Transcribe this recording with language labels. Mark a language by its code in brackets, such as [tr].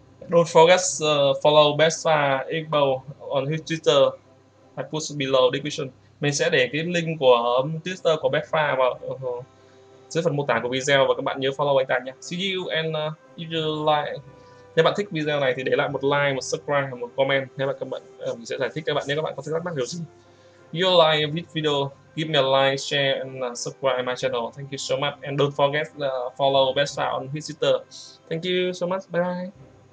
[en] Don't forget to follow Besta Igbo on his Twitter. I put below description. [vi] Mình sẽ để cái link của Twitter của Besta vào dưới phần mô tả của video và các bạn nhớ follow anh ta nha. [en] See you and if you like. [vi] Nếu bạn thích video này thì để lại một like, một subscribe, một comment. Nếu bạn mình sẽ giải thích các bạn nếu các bạn có thắc mắc điều gì. [en] You like this video, give me a like, share and subscribe my channel. Thank you so much and don't forget to follow Besta on his Twitter. Thank you so much. Bye.